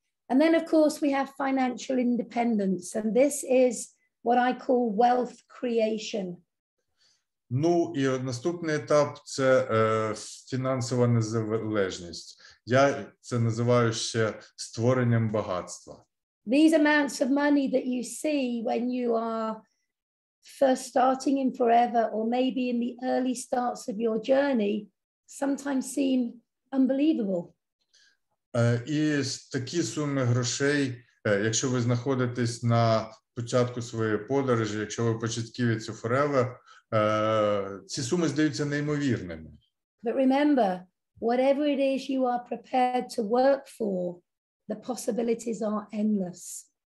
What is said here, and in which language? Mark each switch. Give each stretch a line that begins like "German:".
English: And then of course we have financial independence, and this is what I call wealth creation.
Ukrainian: Ну, і наступний етап – це фінансова незалежність. Я це називаю ще створенням багатства.
English: These amounts of money that you see when you are first starting in Forever or maybe in the early starts of your journey sometimes seem unbelievable.
Ukrainian: І такі суми грошей, якщо ви знаходитесь на початку своєї подорожі, якщо ви початківець у Forever, ці суми здаються неймовірними.
English: But remember, whatever it is you are prepared to work for, the possibilities are endless.